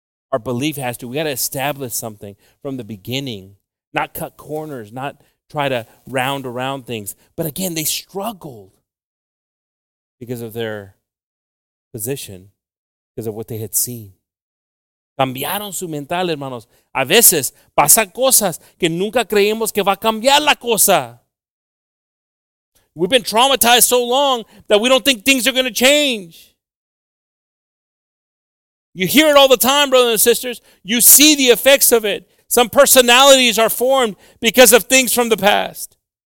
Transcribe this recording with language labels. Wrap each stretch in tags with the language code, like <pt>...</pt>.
<en>Our belief has to. We got to establish something from the beginning, not cut corners, not try to round around things. But again, they struggled because of their position, because of what they had seen.</en> <es>Cambiaron su mental, hermanos. A veces pasan cosas que nunca creemos que va a cambiar la cosa.</es> <en>We've been traumatized so long that we don't think things are going to change. You hear it all the time, brothers and sisters. You see the effects of it. Some personalities are formed because of things from the past.</en>